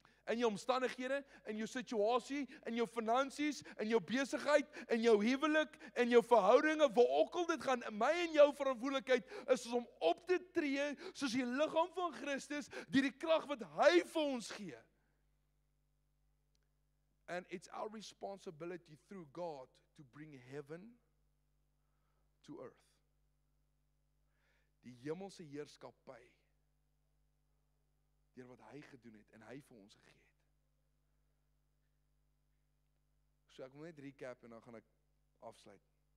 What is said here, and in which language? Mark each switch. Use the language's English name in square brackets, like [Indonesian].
[Afrikaans] In jou omstandighede, in jou situasie, in jou finansies, in jou besigheid, in jou huwelik, in jou verhoudinge, waar ook al dit gaan, my en jou verantwoordelikheid is om op te tree soos die liggaam van Christus, die krag wat hy vir ons gee. [English] And it's our responsibility through God to bring heaven to earth. [Afrikaans] Die hemelse heerskappy deur wat hy gedoen het en hy vir ons gegee het. So ek moet net recap en dan gaan ek afsluit.